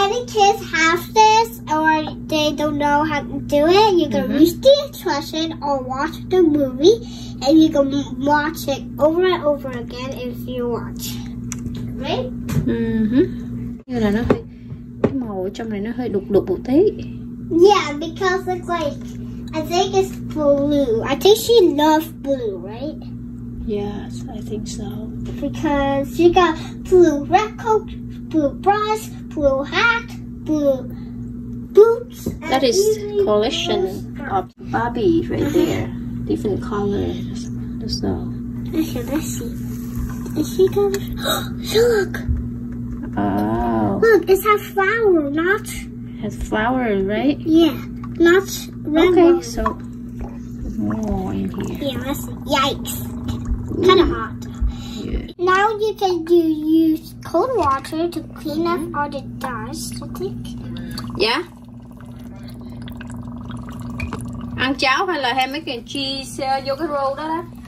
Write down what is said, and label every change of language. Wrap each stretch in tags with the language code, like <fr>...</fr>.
<en>many kids have this or they don't know how to do it, you can read the instruction or watch the movie, and you can watch it over and over again if you watch. Right? Mm-hmm.</en> <vi>Như là nó cái màu trong này nó hơi đục đục một tí.</vi> <en>Yeah, because it's like, I think it's blue. I think she loves blue, right? Yes, I think so. Because she got blue red coat, blue brush, blue hat, blue boots. That is collection of Barbie right there. Different colors. Let's go. Let's see. Is she gonna... Look! Oh. Look, it's a flower, not... Has flower, right? Yeah, not red. Okay, one. So more in here. Yeah, let's see. Yikes. Kind of hot. Yeah. Now you can do use cold water to clean up all the dust, I think. Yeah?</en> <vi>Ăn cháo hay là ham mấy cái cheese vô cái roll đó đó?</vi>